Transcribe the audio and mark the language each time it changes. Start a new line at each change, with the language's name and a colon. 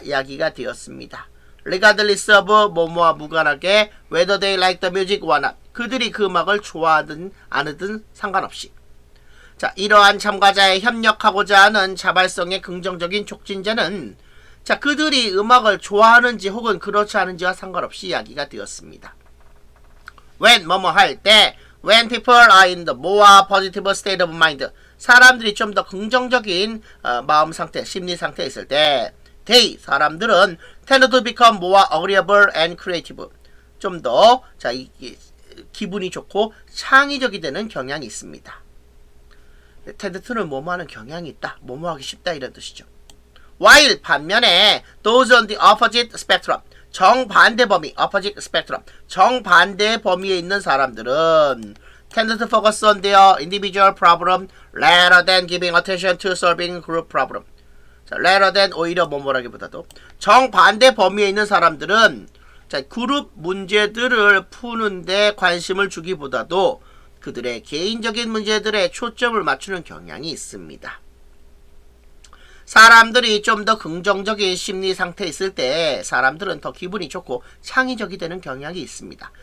Korean: 이야기가 되었습니다.
English: Regardless of 뭐뭐와 무관하게 whether they like the music or not.
Korean: 그들이 그 음악을 좋아하든 아니든 상관없이. 자, 이러한 참가자의 협력하고자 하는 자발성의 긍정적인 촉진제는 자, 그들이 음악을 좋아하는지 혹은 그렇지 않은지와 상관없이 이야기가 되었습니다.
English: When 뭐뭐 할 때 when people are in the more positive state of mind.
Korean: 사람들이 좀 더 긍정적인 마음 상태, 심리 상태에 있을 때 they, 사람들은
English: tend to become more agreeable and creative.
Korean: 좀 더 기분이 좋고 창의적이 되는 경향이 있습니다. tend to는 뭐뭐하는 경향이 있다. 뭐뭐하기 쉽다 이런 뜻이죠. While 반면에
English: those on the opposite spectrum,
Korean: 정반대 범위, opposite spectrum, 정반대 범위에 있는 사람들은
English: tended to focus on their individual problem rather than giving attention to solving group problem.
Korean: 자, rather than 오히려 뭐뭐라기보다도 정반대 범위에 있는 사람들은 자, 그룹 문제들을 푸는 데 관심을 주기보다도 그들의 개인적인 문제들에 초점을 맞추는 경향이 있습니다. 사람들이 좀 더 긍정적인 심리 상태에 있을 때 사람들은 더 기분이 좋고 창의적이 되는 경향이 있습니다.